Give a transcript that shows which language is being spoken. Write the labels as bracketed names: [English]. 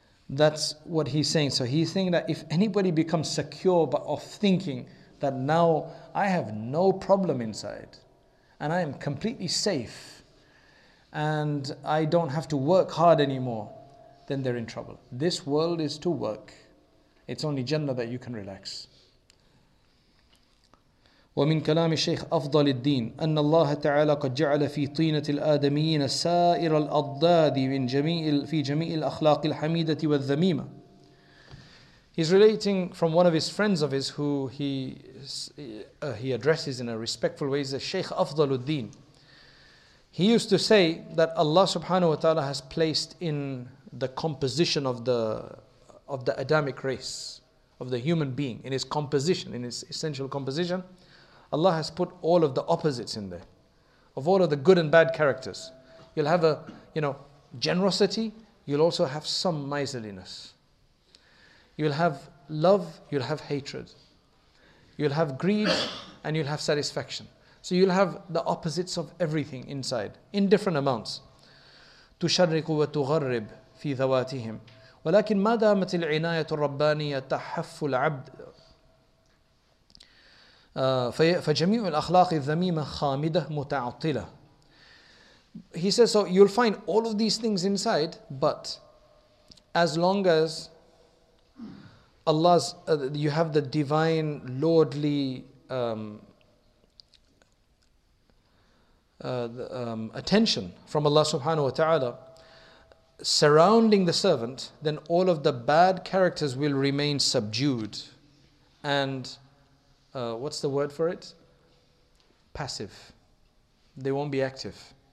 [English] That's what he's saying. So he's saying that if anybody becomes secure but of thinking that now I have no problem inside and I am completely safe and I don't have to work hard anymore, then they're in trouble. This world is to work. It's only Jannah that you can relax. [Arabic] ومن كلام الشيخ أفضل الدين أن الله تعالى قد جعل في طينة الآدميين سائر الأضداد من جميع في جميع الأخلاق الحميدة والذميمة. [English] He's relating from one of his friends of his who he addresses in a respectful way, the Sheikh أفضل الدين. He used to say that Allah subhanahu wa ta'ala has placed in the composition of the Adamic race, of the human being, in his composition, in his essential composition, Allah has put all of the opposites in there, of all of the good and bad characters. You'll have generosity, you'll also have some miserliness. You'll have love, you'll have hatred. You'll have greed, and you'll have satisfaction. So you'll have the opposites of everything inside, in different amounts. [Arabic] تُشَرِّقُ وَتُغَرِّبْ فِي ذَوَاتِهِمْ وَلَكِنْ مَا دَامَتِ الْعِنَايَةُ الرَّبَّانِيَةَ تَحَفُّ الْعَبْدِ فجميع الأخلاق الذميمة خامدة متعطلة. [English] He says, so you'll find all of these things inside, but as long as Allah's, you have the divine, lordly attention from Allah subhanahu wa ta'ala surrounding the servant, then all of the bad characters will remain subdued and what's the word for it? Passive. They won't be active.